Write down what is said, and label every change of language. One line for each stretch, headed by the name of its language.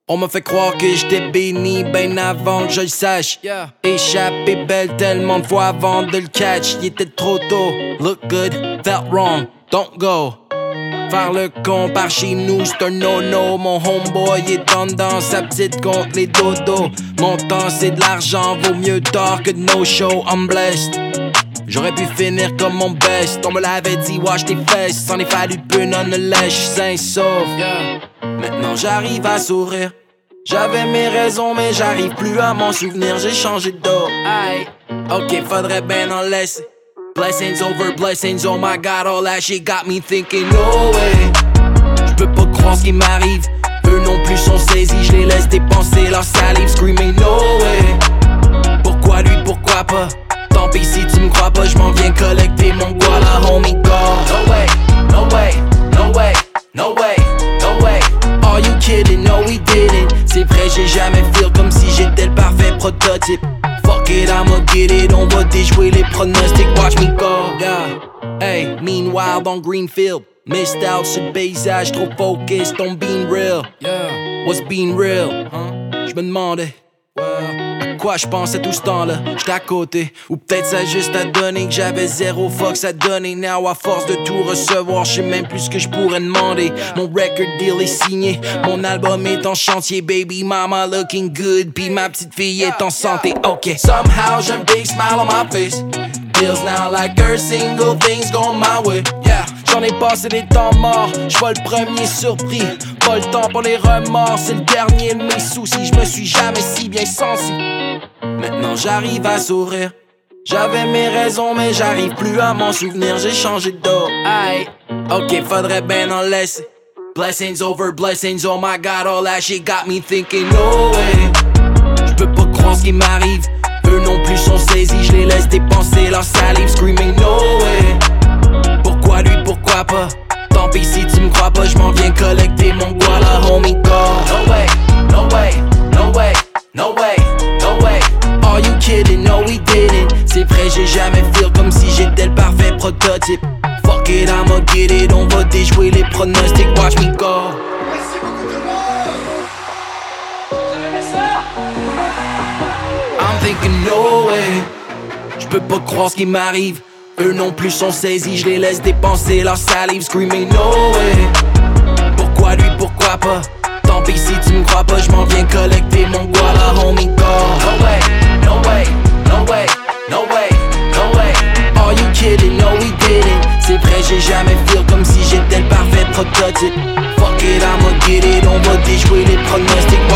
French: On m'a fait croire que j'étais béni ben avant que je le sache. Échappé belle tellement de fois avant de le catch. Il était trop tôt.
English: Look good, felt wrong, don't go.
French: Faire le con par chez nous, c'est un no-no. Mon homeboy est dans dans sa petite contre les dodos. Mon temps c'est de l'argent, vaut mieux tard que de no show. I'm blessed. J'aurais pu finir comme mon best. On me l'avait dit, wash tes fesses. S'en est fallu peu, non, ne lèche, sain, sauf. Maintenant j'arrive à sourire. J'avais mes raisons, mais j'arrive plus à m'en souvenir. J'ai changé d'eau. Aye. Ok, faudrait ben en laisser.
English: Blessings over blessings, oh my god, all that shit got me thinking, no way.
French: J'peux pas croire ce qui m'arrive. Eux non plus sont saisis, j'les laisse dépenser leur salive. Screaming, no way. Pourquoi lui, pourquoi pas? Tant pis si tu me crois pas, j'm'en viens collecter mon guala, homie, go.
English: No way, no way, no way, no way, no way. Are you kidding? No, we didn't.
French: C'est vrai, j'ai jamais feel comme si j'étais le parfait prototype.
English: Fuck it, I'ma get it, on va déjouer les pronostics, watch me go. Hey, meanwhile, dans Greenfield, missed out sur le paysage, trop focused on being real. What's being real?
French: J'me demandais, à quoi j'pensais tout ce temps-là, j'étais à côté. Ou peut-être ça juste a donné que j'avais zéro fucks à donner. Now, à force de tout recevoir, j'sais même plus ce que j'pourrais demander. Mon record deal est signé, mon album est en chantier. Baby mama looking good, pis ma petite fille est en santé, ok.
English: Somehow, j'ai un big smile on my face. Feels now like her single things going my way, yeah.
French: J'en ai passé des temps morts, j'vois le premier surpris. Pas le temps pour les remords, c'est le dernier de mes soucis. J'me suis jamais si bien senti. Maintenant j'arrive à sourire. J'avais mes raisons, mais j'arrive plus à m'en souvenir. J'ai changé d'eau. Aïe, ok, faudrait ben en laisser.
English: Blessings over blessings, oh my god, all that shit got me thinking, no way.
French: J'peux pas croire ce qui m'arrive. Eux non plus sont saisis, j'les laisse dépenser leur salive. Screaming, no way. Pourquoi lui, pourquoi pas? Tant pis si tu me crois pas, j'm'en viens collecter mon guala, homie, go.
English: No way, no way, no way, no way, no way. Are you kidding? No, we didn't.
French: C'est vrai, j'ai jamais feel comme si j'étais le parfait prototype.
English: Fuck it, I'ma get it, on va déjouer les pronostics, watch me go.
French: I'm thinking, no way. J'peux pas croire ce qui m'arrive. Eux non plus sont saisis, je les laisse dépenser leur salive. Screaming, no way. Pourquoi lui, pourquoi pas? Tant pis si tu me crois pas, je m'en viens collecter mon guala, homie, go.
English: No way, no way, no way, no way, no way. Are you kidding? No, we didn't.
French: C'est vrai, j'ai jamais feel comme si j'étais le parfait prototype. Fuck it, I'ma get it, on va déjouer les pronostics.